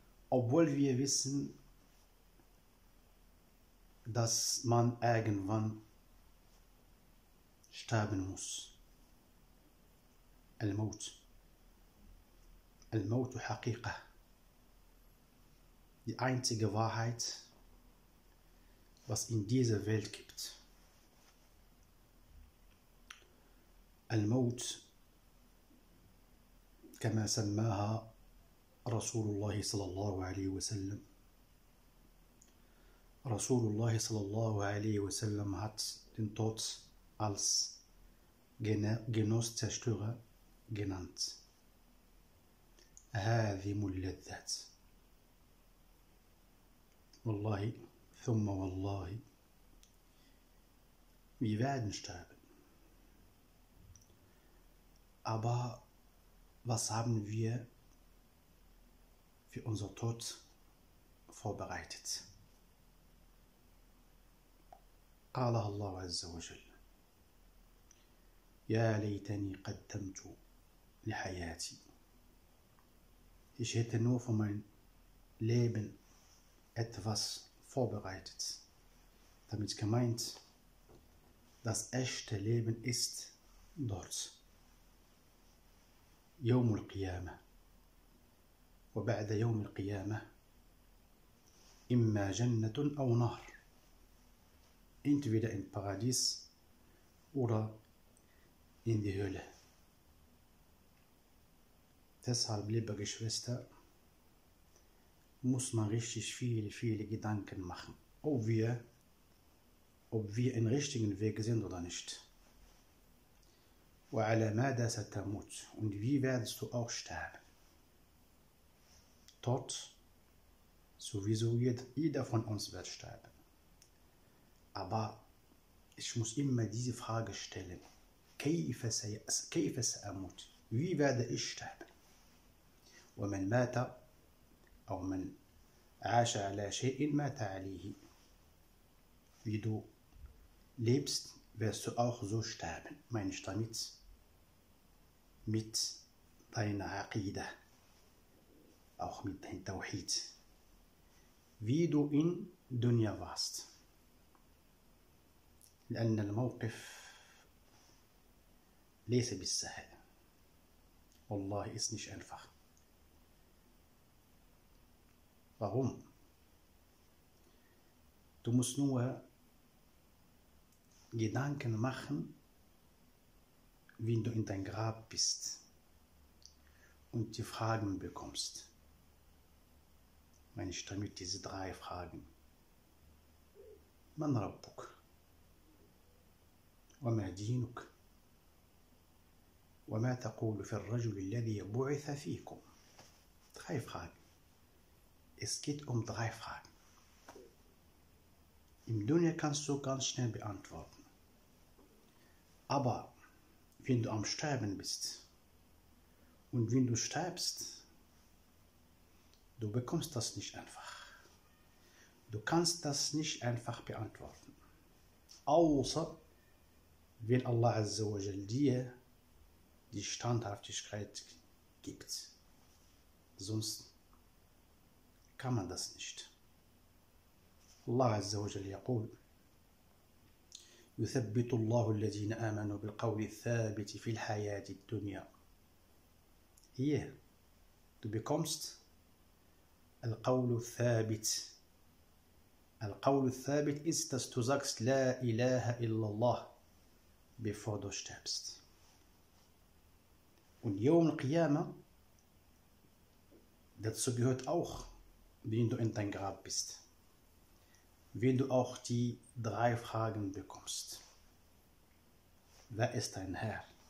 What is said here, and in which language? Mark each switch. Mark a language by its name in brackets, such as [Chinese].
[German] Obwohl wir wissen, dass man irgendwann sterben muss. [Arabic] Al-Maut. Al-Maut Haqiqa. [German] Die einzige Wahrheit, was in dieser Welt gibt. [Arabic] Al-Maut كما سماها رسول الله صلى الله عليه وسلم. رسول الله صلى الله عليه وسلم [German] hat den Tod als Genusszerstörer genannt. [Arabic] هاذم اللذات. والله ثم والله. [German] Wir werden sterben. Aber was haben wir für unseren Tod vorbereitet? [Arabic] Qala Allah Azza wa Jal. Ya laytani qaddamtu li hayati. [German] Ich hätte nur für mein Leben etwas vorbereitet. Damit gemeint, das echte Leben ist dort. [Arabic] يوم القيامة وبعد يوم القيامة إما جنة أو نار. [German] Entweder in Paradies oder in die Hölle. Deshalb, liebe Geschwister, muss man richtig viele, viele Gedanken machen, ob wir im richtigen Weg sind oder nicht. [Arabic] وعلى ماذا ستموت؟ [German] Und wie werdest du auch sterben? Dort, sowieso jeder von uns wird sterben. Aber ich muss immer diese Frage stellen. [Arabic] كيف سأموت؟ [German] Wie werde ich sterben? [Arabic] ومن مات أو من عاش على شيء مات عليه. [German] Wie du lebst, wirst du auch so sterben. Meine ich damit? Mit deiner Aqida, auch mit deinem Tawhid, wie du in Dunya warst. [Arabic] لأن الموقف ليس بالسهل. والله [German] ist nicht einfach. Warum? Du musst nur Gedanken machen, wenn du in dein Grab bist und die Fragen bekommst. Meine ich damit diese drei Fragen. [Arabic] Man Rabbuk, وما دينك؟ وما تقول في الرجل الذي بعث فيكم؟ [German] drei Fragen. Es geht um drei Fragen. Im Dunya kannst du ganz schnell beantworten. Aber wenn du am Sterben bist und wenn du stirbst, du bekommst das nicht einfach. Du kannst das nicht einfach beantworten. Außer wenn Allah Azza wa Jal dir die Standhaftigkeit gibt. Sonst kann man das nicht. [Arabic] Allah Azza wa Jal yaqul: يثبت الله الذين آمنوا بالقول الثابت في الحياة الدنيا. [German] Hier, du bekommst [Arabic] القول الثابت. القول الثابت [German] ist, dass du sagst [Arabic] لا إله إلا الله [German] bevor du stirbst. Und [Arabic] يوم القيامة, [German] dazu gehört auch, wenn du in dein Grab bist, wenn du auch die drei Fragen bekommst. Wer ist dein Herr?